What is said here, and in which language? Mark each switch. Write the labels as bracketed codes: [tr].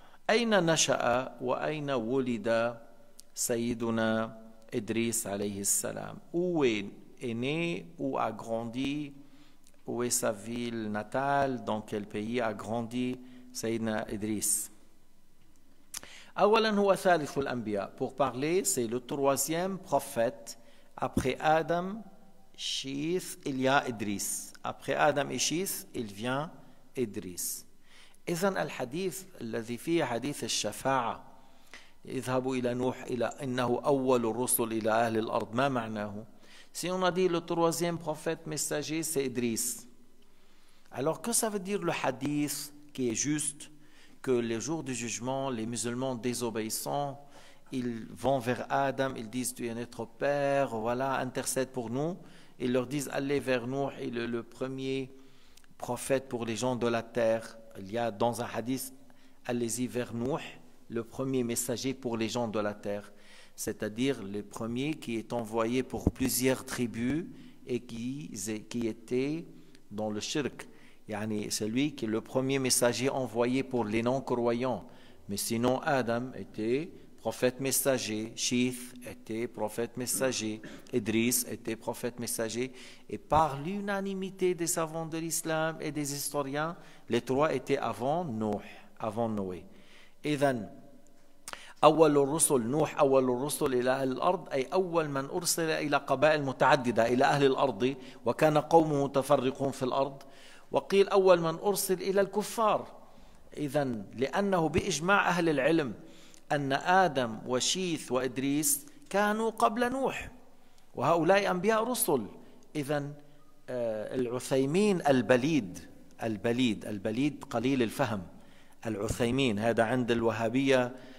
[ar] أين نشأ وأين ولد سيدنا إدريس عليه السلام؟ [fr] Où est né ou a grandi? Où est sa ville natale? Dans quel pays a grandi سيدنا إدريس؟ [ar] أولا هو ثالث الأنبياء. [fr] Pour parler, c'est le troisième prophète après Adam, Shith, il y a Idris. Après Adam et Shith, il vient Idris. [ar] إذن الحديث الذي فيه حديث الشفاعة اذهبوا إلى نوح إلى إنه أول الرسل إلى أهل الأرض ما معناه؟ [fr] Si on a dit le troisième prophète messager c'est Idris. Alors que ça veut dire le hadith qui est juste que les jours du jugement les musulmans désobéissants ils vont vers Adam ils disent tu es notre père voilà intercède pour nous ils leur disent allez vers Nuh il est le premier prophète pour les gens de la terre. Il y a dans un hadith, allez-y vers Nuh, le premier messager pour les gens de la terre. C'est-à-dire le premier qui est envoyé pour plusieurs tribus et qui était dans le shirk. Yani, c'est lui qui est le premier messager envoyé pour les non-croyants. Mais sinon, Adam était prophète messager, Shith était prophète messager, Idris était prophète messager. Et par l'unanimité des savants de l'islam et des historiens, les trois étaient avant Noé, avant Noé. [ar] Et then, أول الرسل نوح أول الرسل إلى أهل الأرض أي أول من أرسل إلى قبائل متعددة إلى أهل الأرض وكان قومه متفرقون في الأرض وقيل أول من أرسل إلى الكفار إذن لأنه بإجماع أهل العلم أن آدم وشيث وإدريس كانوا قبل نوح وهؤلاء أنبياء رسل إذن العثيمين البليد البليد البليد قليل الفهم العثيمين هذا عند الوهابية